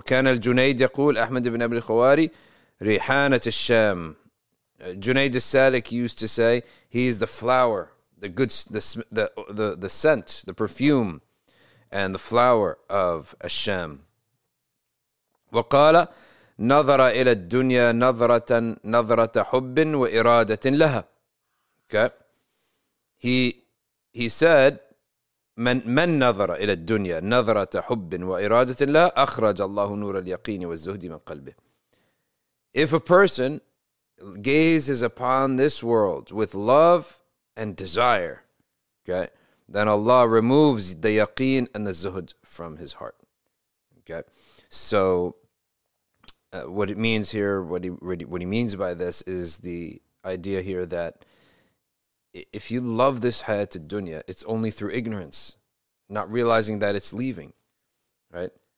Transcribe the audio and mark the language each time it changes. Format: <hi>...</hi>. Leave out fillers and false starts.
<ar>وكان الجنيد يقول أحمد ابن أبي الخواري ريحانة الشام.</ar> <en>Junayd al-Salik used to say he is the flower, the good, the scent, the perfume, and the flower of Hashem.</en> <ar>وقال نظر إلى الدنيا نظرة نظرة حب وإرادة لها.</ar> <en>Okay, he said</en> <ar>من نظر إلى الدنيا نظرة حب وإرادة لها أخرج الله نور اليقين والزهد من قلبه.</ar> <en>If a person gazes upon this world with love and desire, okay, then Allah removes the yaqeen and the zuhud from his heart. Okay, so what it means here, what he means by this is the idea here that if you love this hayat al-dunya, it's only through ignorance, not realizing that it's leaving, right?</en>